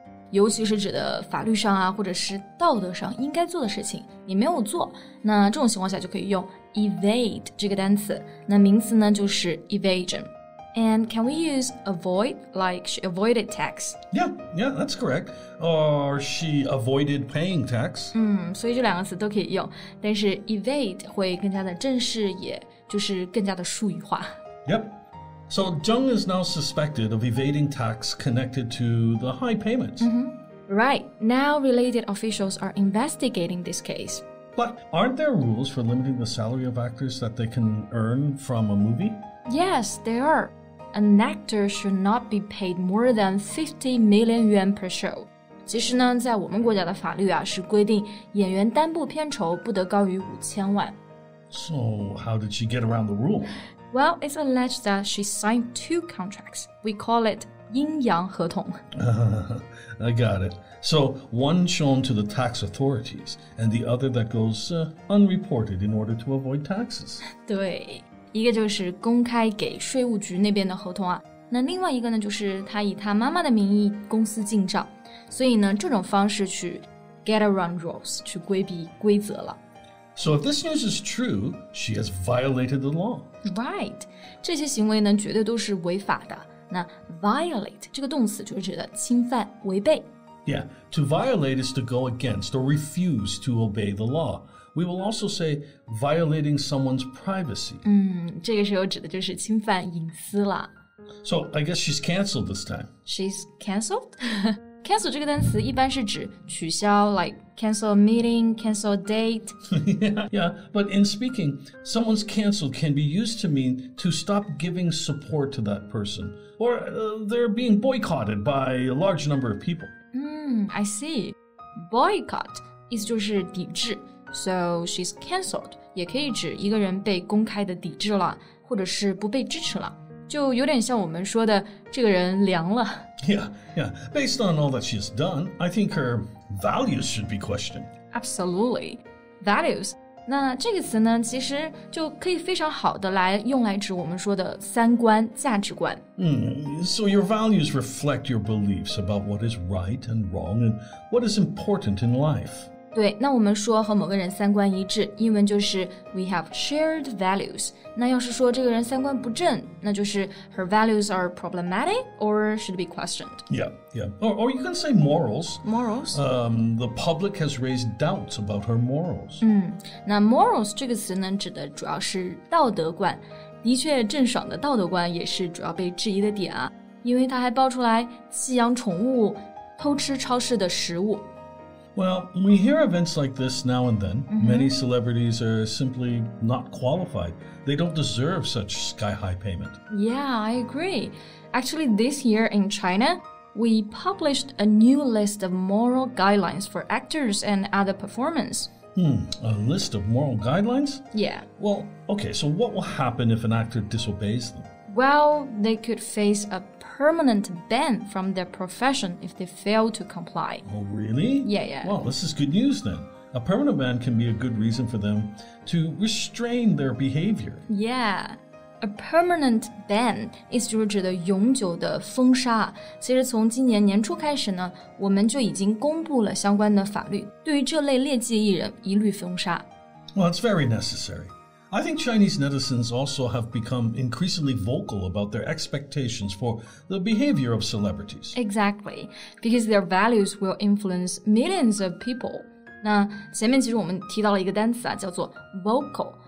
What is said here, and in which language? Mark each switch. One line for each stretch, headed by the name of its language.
Chinese: 尤其是指的法律上啊或者是道德上应该做的事情你没有做那这种情况下就可以用 evade 这个单词那名词呢就是 evasion
English: And can we use avoid like she avoided tax? Yeah, that's correct Or she avoided paying tax
Chinese: 所以这两个词都可以用但是 evade 会更加的正式也就是更加的术语化
English: YepSo, Zheng is now suspected of evading tax connected to the high payments. Right. Now, related officials are investigating this case. But aren't there rules for limiting the salary of actors that they can earn from a movie? Yes, there are. An actor should not be paid more than 50 million yuan per show.
Chinese: 其实呢在我们国家的法律啊是规定演员单部片酬不得高于5000万。
English: So, how did she get around the rule? Well, it's alleged that she signed 2 contracts. We call it 阴阳合同. I got it. So, one shown to the tax authorities, and the other that goes unreported in order to avoid taxes.
Chinese: 对,一个就是公开给税务局那边的合同啊。那另外一个呢,就是他以他妈妈的名义公司进账。所以呢,这种方式去
English: get around rules,
Chinese: 去规避规则了。
English: So if this news is true, she has violated the law. Right.
Chinese: 这些行为呢绝对都是违法的。那 violate 这个动词就是指的侵犯、违背。
English: Yeah, to violate is to go against or refuse to obey the law. We will also say violating someone's privacy.
Chinese: 这个时候指的就是侵犯隐私了。
English: So I guess she's canceled this time. She's canceled? Cancel
Chinese: 这个单词一般是指取消
English: like cancel a meeting, cancel a date. yeah, but in speaking, someone's canceled can be used to mean to stop giving support to that person. Or they're being boycotted by a large number of people. I see. Boycott
Chinese: 意思就是抵制。
English: So she's canceled
Chinese: 也可以指一个人被公开的抵制了或者是不被支持了。就有点像我们说的这个人凉了。
English: Yeah. Based on all that she has done, I think her values should be questioned. Absolutely. Values.
Chinese: 那这个词呢，其实就可以非常好的来用来指我们说的三观、价值观。
English: So your values reflect your beliefs about what is right and wrong and what is important in life.
Chinese: 对，那我们说和某个人三观一致，英文就是
English: we have shared values.
Chinese: 那要是说这个人三观不正，那就是
English: her values are problematic or should be questioned. Yeah. Or you can say morals. Morals. The public has raised doubts about her morals.
Chinese: 那 morals 这个词呢，指的主要是道德观。的确，郑爽的道德观也是主要被质疑的点啊，因为她还爆出来弃养宠物，偷吃超市的食物。
English: Well, we hear events like this now and then. Mm-hmm. Many celebrities are simply not qualified. They don't deserve such sky-high payment. Yeah, I agree. Actually, this year in China, we published a new list of moral guidelines for actors and other performers. A list of moral guidelines? Yeah. Well, okay, so what will happen if an actor disobeys them? Well, they could face a permanent ban from their profession if they fail to comply. Oh, really? Yeah. Well, this is good news then. A permanent ban can be a good reason for them to restrain their behavior. Yeah. A permanent ban
Chinese: 意思就是指的永久的封杀。其实从今年年初开始呢，我们就已经公布了相关的法律，对于这类劣迹艺人一律封杀。
English: Well, it's very necessary. I think Chinese netizens also have become increasingly vocal about their expectations for the behavior of celebrities. Exactly, because their values will influence millions of people.
Chinese: 那前面其实我们提到了一个单词啊，叫做 vocal.